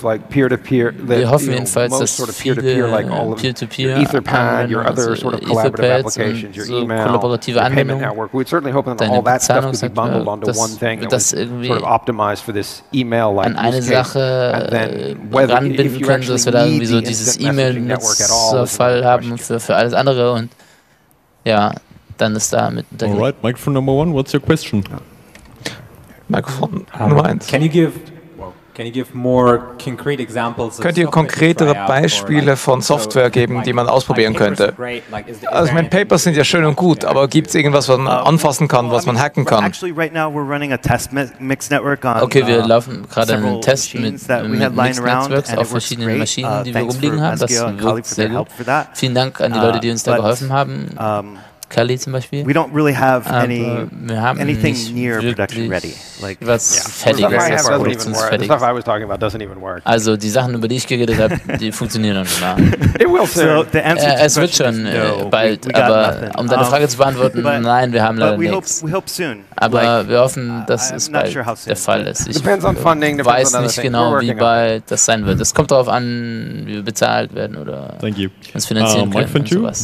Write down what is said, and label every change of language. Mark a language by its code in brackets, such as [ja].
[de] Wir hoffen jedenfalls, dass viele peer-to-peer [en] your other sort of collaborative applications, your email, your payment network. We'd certainly hope that all that stuff could be bundled onto one thing that was sort of optimized for this email like [de] eine Sache ranbinden können, dass wir da irgendwie so dieses E-Mail-Netzfall haben für alles andere und ja, dann ist da mit [en] all right, microphone number one, what's your question? [de] Mikrofon Nummer 1. Könnt ihr konkretere Beispiele von Software geben, die man ausprobieren könnte? Also ich meine, Papers sind ja schön und gut, aber gibt es irgendwas, was man anfassen kann, was man hacken kann? Okay, wir laufen gerade einen Test mit Mixnetzwerks auf verschiedenen Maschinen, die wir rumliegen haben. Das wirkt sehr gut. Vielen Dank an die Leute, die uns da geholfen haben. Kali zum Beispiel. [en] We don't really have anything near production ready. [de] Like, was fertig ist. [en] The stuff I was talking about doesn't even work. [de] Also die Sachen, über die ich geredet habe, die funktionieren noch nicht mal. [en] It will soon. [de] Es wird schon bald. Aber um deine Frage zu beantworten, nein, wir haben leider nichts. Aber wir hoffen, dass es bald der Fall ist. [en] Ich depends on funding, [de] weiß nicht genau, wie bald das sein wird. Es kommt darauf an, wie wir bezahlt werden oder uns finanzieren können und sowas.